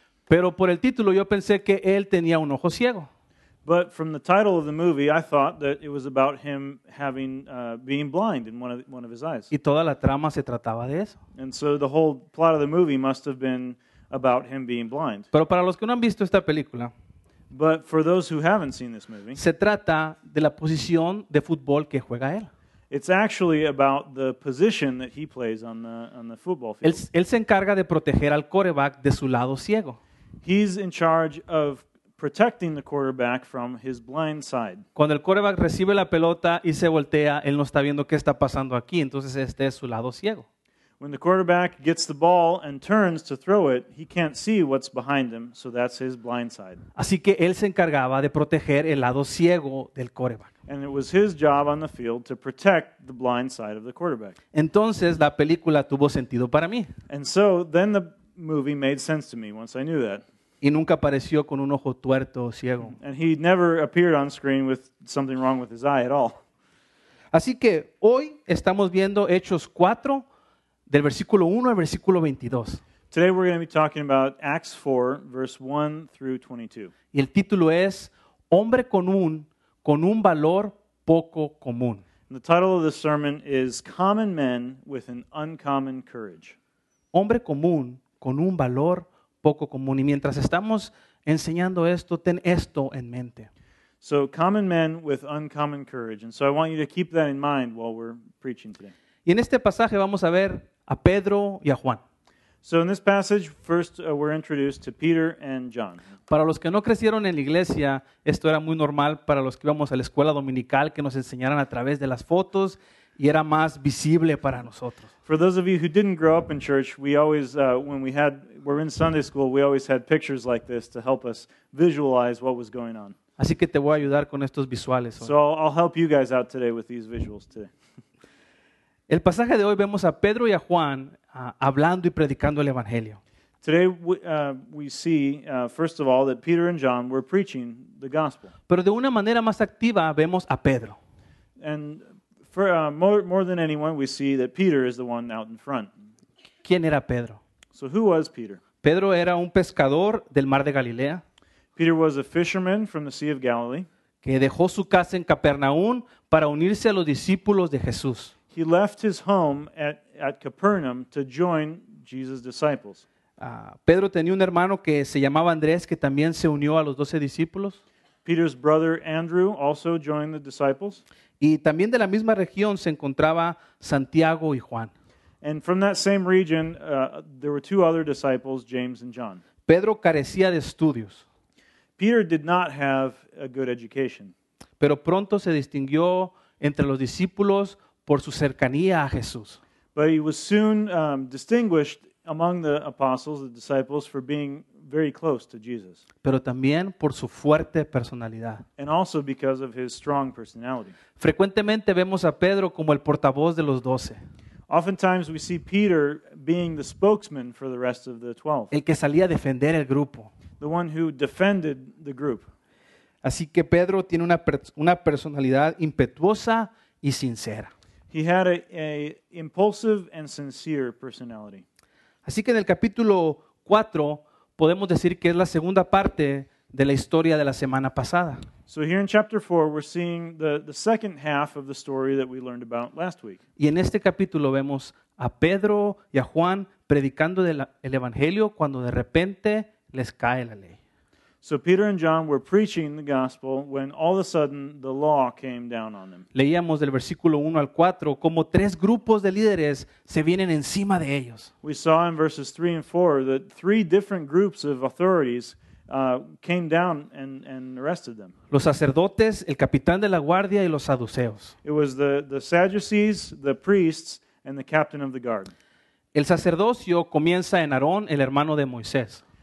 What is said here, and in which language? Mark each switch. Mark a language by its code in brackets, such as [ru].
[es] Pero por el título yo pensé que él tenía un ojo ciego. [en] But from the title of the movie, I thought that it was about him having being blind in one of his eyes. [es] Y toda la trama se trataba de eso. [en] And so the whole plot of the movie must have been about him being blind. [es] Pero para los que no han visto esta película, [en] but for those who haven't seen this movie, [es] se trata de la posición de fútbol que juega él. [en] It's actually about the position that he plays on the football field. [es] Él se encarga de proteger al quarterback de su lado ciego. [en] He's in charge of protecting the quarterback from his blind side. [es] Cuando el quarterback recibe la pelota y se voltea, él no está viendo qué está pasando aquí, entonces este es su lado ciego. [en] When the quarterback gets the ball and turns to throw it, he can't see what's behind him, so that's his blind side. [es] Así que él se encargaba de proteger el lado ciego del quarterback. [en] And it was his job on the field to protect the blind side of the quarterback. [es] Entonces la película tuvo sentido para mí. [en] And so then the movie made sense to me once I knew that. [es] Y nunca apareció con un ojo tuerto o ciego. [en] And he never appeared on screen with something wrong with his eye at all. [es] Así que hoy estamos viendo Hechos 4, del versículo 1 al versículo 22. [en] Today we're going to be talking about Acts 4, verse 1 through 22. [es] Y el título es, Hombre con un valor poco común. [en] And the title of the sermon is, Common Men with an Uncommon Courage. [es] Hombre común con un valor poco común. Y mientras estamos enseñando esto, ten esto en mente. [en] So, common men with uncommon courage. And so I want you to keep that in mind while we're preaching today. [es] Y en este pasaje vamos a ver a Pedro y a Juan. [en] So in this passage, first we're introduced to Peter and John. [es] Para los que no crecieron en la iglesia, esto era muy normal para los que íbamos a la escuela dominical, que nos enseñaran a través de las fotos y era más visible para nosotros. [en] For those of you who didn't grow up in church, we always, when we had, we're in Sunday school, we always had pictures like this to help us visualize what was going on. [es] Así que te voy a ayudar con estos visuales. [en] So I'll help you guys out today with these visuals today. [es] El pasaje de hoy vemos a Pedro y a Juan hablando y predicando el evangelio. [en] Today we see first of all that Peter and John were preaching the gospel. [es] Pero de una manera más activa vemos a Pedro. [en] And for more than anyone we see that Peter is the one out in front. [es] ¿Quién era Pedro? [en] So who was Peter? [es] Pedro era un pescador del mar de Galilea. [en] Peter was a fisherman from the Sea of Galilee. [es] Que dejó su casa en Capernaum para unirse a los discípulos de Jesús. [en] He left his home at Capernaum to join Jesus' disciples. [es] Pedro tenía un hermano que se llamaba Andrés que también se unió a los 12 discípulos. [en] Peter's brother Andrew also joined the disciples. [es] Y también de la misma región se encontraba Santiago y Juan. [en] And from that same region, there were two other disciples, James and John. [es] Pedro carecía de estudios. [en] Peter did not have a good education. [es] Pero pronto se distinguió entre los discípulos por su cercanía a Jesús. [en] But he was soon distinguished among the apostles, the disciples, for being very close to Jesus. [es] Pero también por su fuerte personalidad. [en] And also because of his strong personality. [es] Frecuentemente vemos a Pedro como el portavoz de los doce. [en] Oftentimes we see Peter being the spokesman for the rest of the 12. [es] El que salía a defender el grupo. [en] The one who defended the group. [es] Así que Pedro tiene una personalidad impetuosa y sincera. [en] He had a impulsive and sincere personality. [es] Así que en el capítulo 4 podemos decir que es la segunda parte de la historia de la semana pasada. [en] So here in chapter 4 we're seeing the second half of the story that we learned about last week. [es] Y en este capítulo vemos a Pedro y a Juan predicando el evangelio cuando de repente les cae la ley. [en] So Peter and John were preaching the gospel when all of a sudden the law came down on them. [es] Leíamos del versículo 1 al 4 como tres grupos de líderes se vienen encima de ellos. [en] We saw in verses 3 and 4 that three different groups of authorities came down and arrested them. [es] Los sacerdotes, el capitán de la guardia y los saduceos. [en] It was the Sadducees, the priests, and the captain of the guard. [es] El sacerdocio comienza en Aarón, el hermano de Moisés.